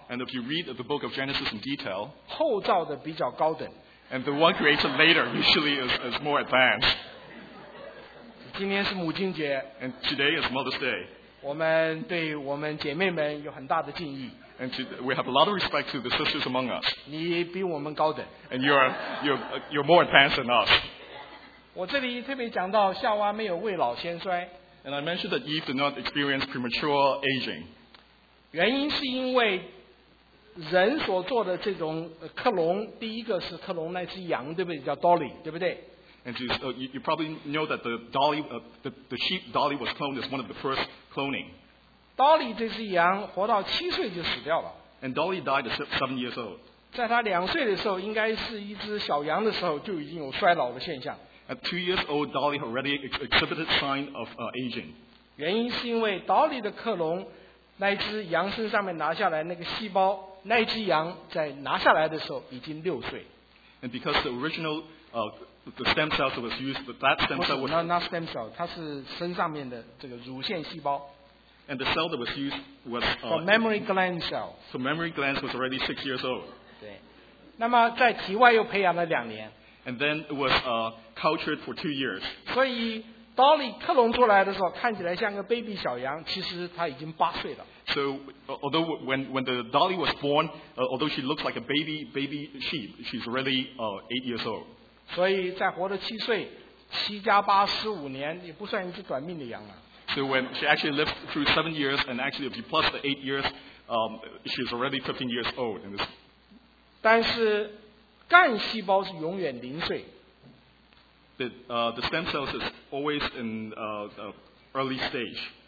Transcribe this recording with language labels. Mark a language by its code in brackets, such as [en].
[en] ，And if you read the book of Genesis in detail, [zh] 后造的比较高等。 [en] And the one created later usually is more advanced. [zh] 今天是母亲节 [en] ，And today is Mother's Day。 [zh] 我们对我们姐妹们有很大的敬意 [en] ，And we have a lot of respect to the sisters among us。 [zh] 你比我们高等 [en] ，And you're more advanced than us。 [zh] 我这里特别讲到夏娃没有未老先衰 [en] ，And I mentioned that Eve did not experience premature aging。 [zh] 原因是因为人所做的这种克隆，第一个是克隆那只羊，对不对？叫 Dolly， 对不对？ [en] And you probably know that the Dolly, the sheep Dolly was cloned as one of the first cloning. [zh] Dolly 这只羊活到七岁就死掉了。 [en] And Dolly died at 7 years old. [zh] 在它两岁的时候，应该是一只小羊的时候，就已经有衰老的现象。 [en] At 2 years old, Dolly already exhibited sign of aging. [zh] 原因是因为 Dolly 的克隆，那只羊身上面拿下来那个细胞，那只羊在拿下来的时候已经六岁。 [en] And because the original the stem cells that was used, but that stem cell was not stem cell. [zh] 它是身上面的这个乳腺细胞。 [en] And the cell that was used was for memory gland cell. So memory glands was already 6 years old. [zh] 那么在体外又培养了两年。 [en] And then it was cultured for 2 years. [zh] 所以 Dolly 克隆出来的时候看起来像个 baby 小羊, 其实他已经八岁了。 [en] So although when the Dolly was born, although she looks like a baby sheep, she's already 8 years old. [zh] 所以在活了七岁, 七加八十五年, 也不算一只短命的羊了。 [en] So when she actually lived through 7 years, and actually if you plus the 8 years, she's already 15 years old. [zh] 但是干细胞是永远零岁。 [en] The stem cells is always in early stage.